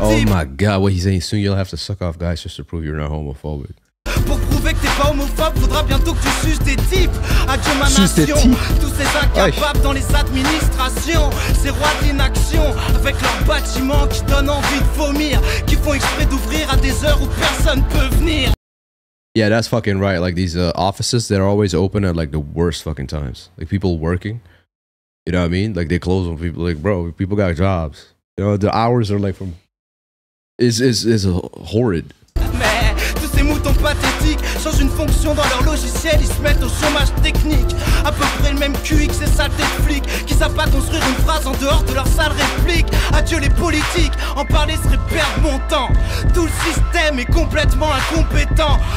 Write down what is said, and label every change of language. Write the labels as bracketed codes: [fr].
[en] Oh my god, what he's saying, soon you'll have to suck off guys just to prove you're not homophobic. [fr] Pour prouver que t'es pas homophobe, faudra bientôt que tu suces des types. Adieu ma suce nation, tous ces incapables dans les administrations. Ces rois d'inaction, avec leurs bâtiments qui donnent envie de vomir. Qui font exprès d'ouvrir à des heures où personne peut venir. [en] Yeah, that's fucking right. Like these offices, they're always open at like the worst fucking times. Like people working. You know what I mean? Like they close on people. Like, bro, people got jobs. You know, the hours are like from... It's horrid. [fr] Mais tous ces moutons pathétiques changent une fonction dans leur logiciel. Ils se mettent au chômage technique. À peu près le même QX et saleté de flics qui savent pas construire une phrase en dehors de leur sale réplique. Adieu les politiques, en parler serait perdre mon temps. Tout le système est complètement incompétent.